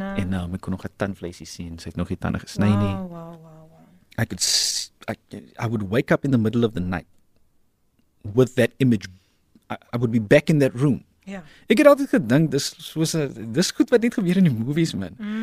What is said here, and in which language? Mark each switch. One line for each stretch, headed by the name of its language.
Afrikaans: ek kon nog 'n tandvleisie sien. Sy het nog nie tande gesny nie. Wow.
English: I would wake up in the middle of the night with that image. I would be back in that room. Yeah.
Afrikaans: Ek het altyd gedink dis soos 'n dis goed wat net gebeur in die movies, man.